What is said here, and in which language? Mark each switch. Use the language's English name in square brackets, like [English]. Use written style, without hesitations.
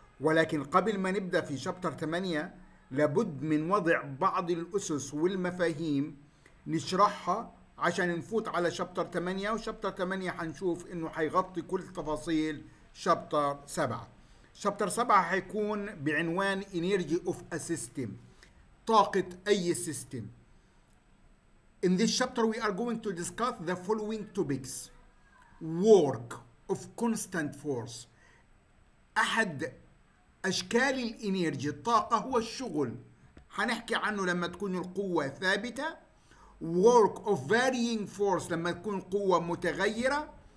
[Arabic] ولكن قبل ما نبدأ في شابتر 8 لابد من وضع بعض الأسس والمفاهيم نشرحها عشان نفوت على شابتر 8، وشابتر 8 حنشوف انه حيغطي كل تفاصيل شابتر 7. شابتر 7 حيكون بعنوان Energy of a System، طاقة أي سيستم. [English] In this chapter we are going to discuss the following topics: Work of Constant Force. [Arabic] أحد أشكال الإنيرجي الطاقة هو الشغل، حنحكي عنه لما تكون القوة ثابتة. Work of Varying Force لما تكون قوة متغيرة.